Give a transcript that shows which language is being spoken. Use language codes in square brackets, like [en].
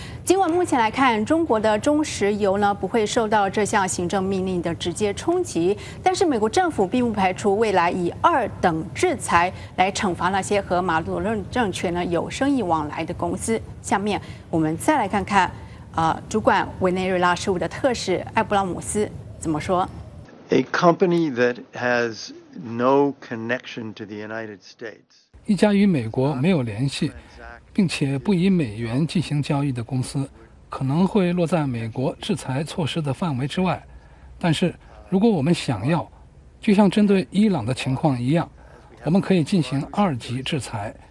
[zh] 尽管目前来看，中国的中石油呢不会受到这项行政命令的直接冲击，但是美国政府并不排除未来以二等制裁来惩罚那些和马杜罗政权呢有生意往来的公司。下面我们再来看看，主管委内瑞拉事务的特使艾布拉姆斯怎么说。 [en] A company that has no connection to the United States. [zh] 一家与美国没有联系，并且不以美元进行交易的公司，可能会落在美国制裁措施的范围之外。但是，如果我们想要，就像针对伊朗的情况一样，我们可以进行二级制裁。